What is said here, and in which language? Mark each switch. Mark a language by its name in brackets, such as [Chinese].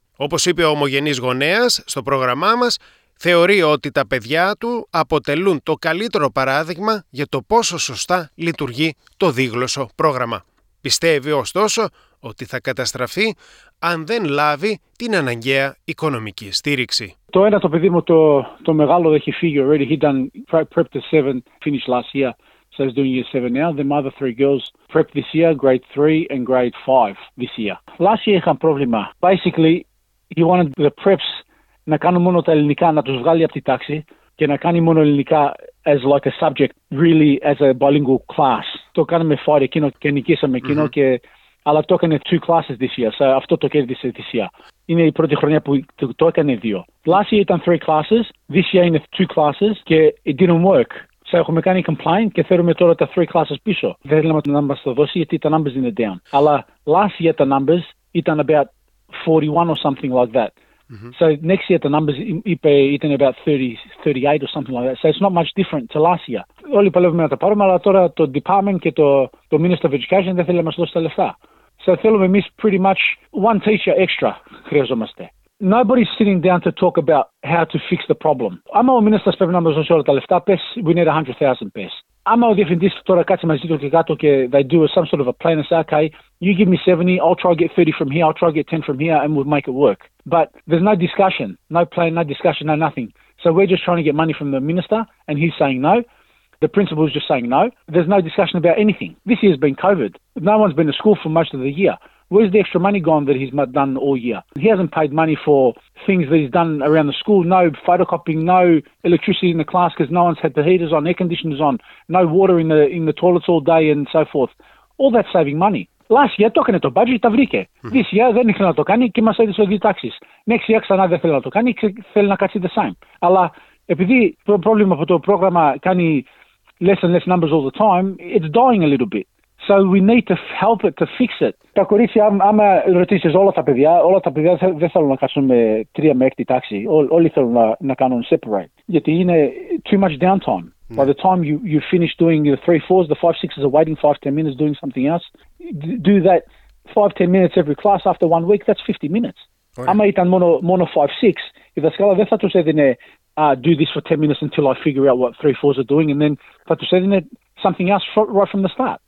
[Greek] Όπως είπε ο ομογενής γονέας, στο πρόγραμμά μας θεωρεί ότι τα παιδιά του αποτελούν το καλύτερο παράδειγμα για το πόσο σωστά λειτουργεί το δίγλωσσο πρόγραμμα. Πιστεύει ωστόσο ότι θα καταστραφεί αν δεν λάβει την αναγκαία οικονομική στήριξη. Το ένα το παιδί μου, το μεγάλο, έχει φύγει already. [English] He done prep to 7, finished last year. So he's doing year 7 now. The mother, 3 girls, prep this year, grade 3 and grade 5 this year. Last year [Greek] είχαν πρόβλημα. [English] Basically, he wanted the preps [Greek] να κάνουν μόνο τα ελληνικά, να τους βγάλει από τη τάξη και να κάνει μόνο ελληνικά [English] as like a subject, really as a bilingual class. [Greek] Το κάναμε φάρι εκείνο και νικήσαμε εκείνο, mm-hmm. Αλλά το έκανε [English] 2 classes this year, [Greek] so αυτό το κέρδισε [English] this year. [Greek] Είναι η πρώτη χρονιά που το έκανε 2. [English] Last year [Greek] ήταν [English] 3 classes, this year [Greek] είναι [English] 2 classes [Greek] και [English] it didn't work. [Greek] So έχουμε κάνει complaint και θέλουμε τώρα τα 3 classes πίσω. Δεν θέλουμε τα numbers το δώσει γιατί τα numbers είναι down. Αλλά [English] last year [Greek] τα [English] numbers [Greek] ήταν [English] about 41 or something like that. Mm-hmm. So next year the numbers [Greek] ήταν [English] about 38 or something like that. So it's not much different to last year. [Greek] Όλοι παλεύουμε να τα πάρουμε, αλλά τώρα το department και το Minister of Education δεν θέλει να μας δώσει τα λεφτά. [English] So [Greek] θέλουμε εμείς [English] pretty much one teacher extra [Greek] χρειαζόμαστε. [English] Nobody's sitting down to talk about how to fix the problem. [Greek] Άμα ο Minister πρέπει να μας δώσει όλα τα λεφτά, πες, [English] we need 100,000 [Greek] πες. Άμα ο διευθυντής τώρα κάτσε μαζί του και κάτω και [English] they do some sort of a plan and say, okay, you give me 70, I'll try to get 30 from here, I'll try to get 10 from here and we'll make it work. But there's no discussion, no plan, no discussion, no nothing. So we're just trying to get money from the minister and he's saying no. The principal is just saying no. There's no discussion about anything. This year's been COVID. No one's been to school for most of the year. Where's the extra money gone that he's done all year? He hasn't paid money for things that he's done around the school. No photocopying, no electricity in the class because no one's had the heaters on, air conditioners on, no water in the toilets all day and so forth. All that saving money. Last year, [Greek] το έκανε το budget, τα βρήκε. [English] This year, [Greek] δεν ήθελε να το κάνει και μας έδωσε δύο τάξεις. [English] Next year, [Greek] ξανά δεν θέλει να το κάνει και θέλει να κάτσει [English] the same. [Greek] Αλλά επειδή το πρόβλημα από το πρόγραμμα κάνει [English] less and less numbers all the time, it's dying a little bit. So we need to help it, to fix it. [Greek] Τα κορίτσια, άμα ρωτήσεις όλα τα παιδιά δεν θέλουν να κάτσουν με 3 με 6 τάξη. Όλοι θέλουν να κάνουν separate. Γιατί είναι [English] too much downtime. By the time you finish doing the 3-4s, the 5-6s are waiting 5-10 minutes doing something else. Do that 5-10 minutes every class after 1 week, that's 50 minutes. [Greek] Άμα ήταν μόνο 5-6, η δασκάλα δεν θα τους έδινε [English] do this for 10 minutes until I figure out what 3-4s are doing, and then [Greek] θα τους έδινε [English] something else right from the start.